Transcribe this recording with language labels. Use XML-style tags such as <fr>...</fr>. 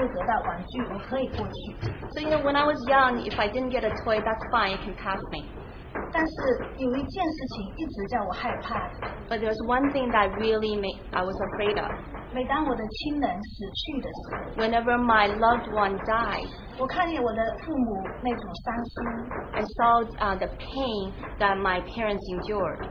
<zh>小时候我也好像其他事情都可以过去，很多比如说没有得到玩具，我可以过去。So</zh> <en>you know, when I was young, if I didn't get a toy, that's fine, it can pass me.</en> <zh>但是有一件事情一直叫我害怕,</zh> <en>but there's one thing that really I was afraid of.</en> <zh>每当我的亲人死去的时候,</zh> <en>whenever my loved one died,</en> <zh>我看见我的父母那种伤心,</zh> <en>I saw the pain that my parents endured,</en>